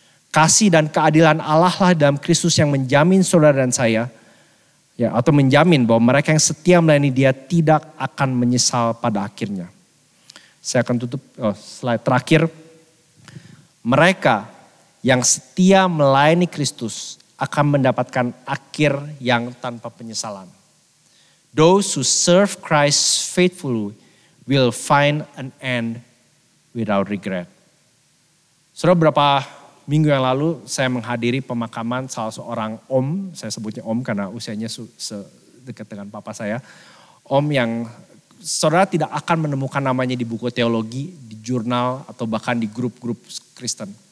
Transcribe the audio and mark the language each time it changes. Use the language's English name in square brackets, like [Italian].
[Indonesian] Kasih dan keadilan Allah lah dalam Kristus yang menjamin saudara dan saya, ya, atau menjamin bahwa mereka yang setia melayani dia tidak akan menyesal pada akhirnya. Saya akan tutup slide terakhir. Mereka yang setia melayani Kristus akan mendapatkan akhir yang tanpa penyesalan. [English] Those who serve Christ faithfully will find an end without regret. [Indonesian] Sudah berapa minggu yang lalu saya menghadiri pemakaman salah seorang om, saya sebutnya om karena usianya dekat dengan papa saya. Om yang saudara tidak akan menemukan namanya di buku teologi, di jurnal, atau bahkan di grup-grup Kristen.